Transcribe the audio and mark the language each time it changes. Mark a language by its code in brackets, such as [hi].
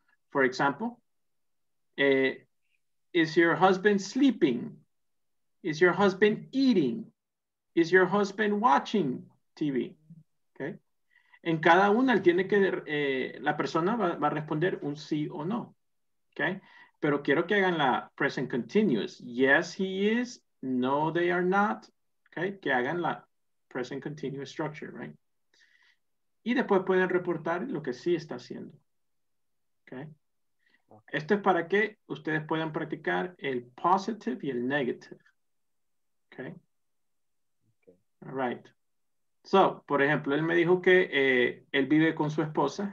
[en] For example, is your husband sleeping? Is your husband eating? Is your husband watching TV? Okay. [es] En cada una, él tiene que, la persona va a responder un sí o no. [en] Okay? [es] Pero quiero que hagan la [en] present continuous. Yes, he is. No, they are not. Okay? [es] Que hagan la [en] present continuous structure, right? [es] Y después pueden reportar lo que sí está haciendo. Okay. Esto es para que ustedes puedan practicar el positive y el negative. [en] Okay. All right. [es] So, por ejemplo, él me dijo que él vive con su esposa.